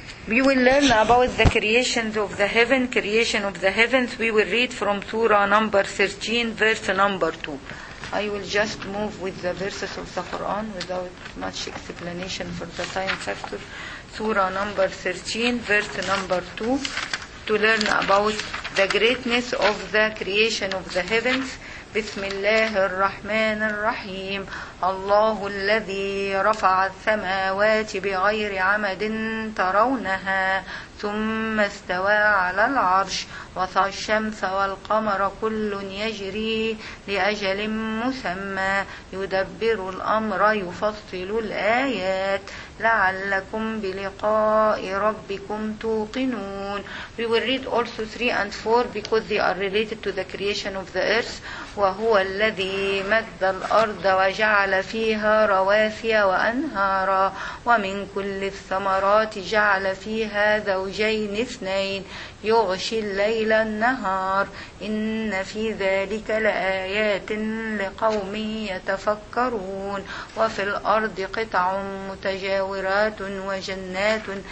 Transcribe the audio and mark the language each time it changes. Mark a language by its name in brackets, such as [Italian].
[English] We will learn about the creations of the heaven. Creation of the heavens, we will read from Surah number 13, verse number 2. I will just move with the verses of the Quran without much explanation for the time factor. Surah number 13, verse number 2, to learn about the greatness of the creation of the heavens. [Arabic] بسم الله الرحمن الرحيم الله الذي رفع السماوات بغير عمد ترونها ثم استوى على العرش وصى الشمس والقمر كل يجري لأجل مسمى يدبر الأمر يفصل الآيات لعلكم بلقاء ربكم توقنون. [English] We will read also 3 and 4 because they are related to the creation of the earth. [Arabic] وهو الذي مد الأرض وجعل فيها رواسي وأنهارا ومن كل الثمرات جعل فيها زوجين اثنين يغشي الليل النهار إن في ذلك لآيات لقوم يتفكرون وفي الأرض قطع متجاورات وجنات